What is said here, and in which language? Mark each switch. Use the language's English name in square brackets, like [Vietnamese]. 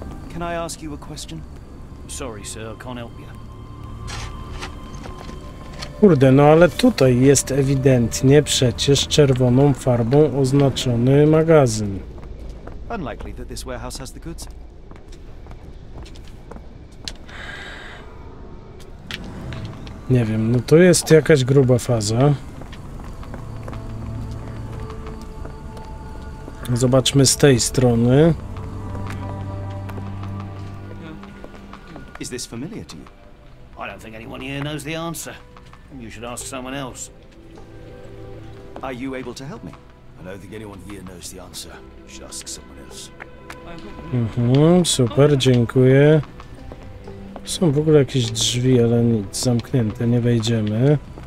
[English] Can I ask you a question? Sorry, sir, I can't help you. [Polish] Kurde, no ale tutaj jest ewidentnie przecież czerwoną farbą oznaczony magazyn. [English] Unlikely that this warehouse has the goods. [Polish] Nie wiem, no to jest jakaś gruba faza. Zobaczmy z tej strony. [English] Is this familiar to you? I don't think anyone here knows the answer. You should ask someone else. Are you able to help me? I don't think anyone here knows the answer. You should ask someone else. [Polish] Super, dziękuję. Są w ogóle jakieś drzwi, ale nic, zamknięte, nie wejdziemy.